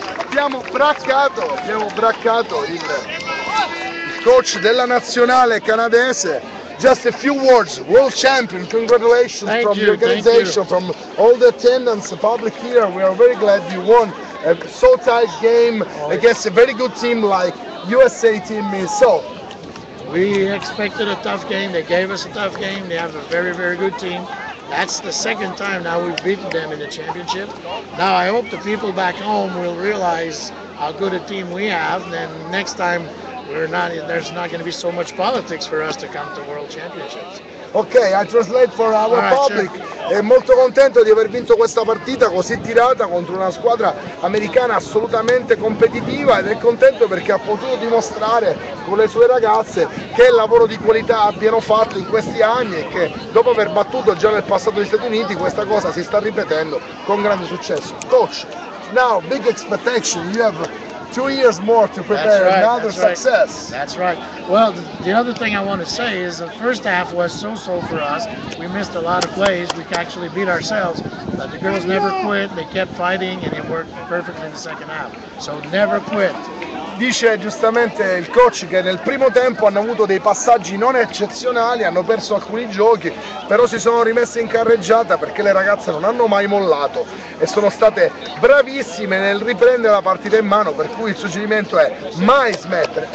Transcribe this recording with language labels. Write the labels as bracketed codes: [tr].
[it] Abbiamo braccato il coach della nazionale canadese. [en] Just a few words, world champion, congratulations thank from you, the organization, from all the attendance, the public here. We are very glad you won a so tight game against a very good team like USA team. So we expected a tough game, they gave us a tough game, they have a very, very good team. That's the second time now we've beaten them in the championship. Now I hope the people back home will realize how good a team we have, then next time there's not going to be so much politics for us to come to World Championships. Okay, I translate for our right, public. Sure. [it] È molto contento di aver vinto questa partita così tirata contro una squadra americana assolutamente competitiva ed è contento perché ha potuto dimostrare con le sue ragazze che il lavoro di qualità abbiano fatto in questi anni e che dopo aver battuto già nel passato gli Stati Uniti questa cosa si sta ripetendo con grande successo. [en] Coach, now big expectation you have 2 years more to prepare success. That's right. Well, the other thing I want to say is the first half was so-so for us. We missed a lot of plays. We actually beat ourselves. But the girls never quit. They kept fighting and it worked perfectly in the second half. So never quit. [it] Dice giustamente il coach che nel primo tempo hanno avuto dei passaggi non eccezionali, hanno perso alcuni giochi, però si sono rimesse in carreggiata perché le ragazze non hanno mai mollato e sono state bravissime nel riprendere la partita in mano, per cui il suggerimento è mai smettere.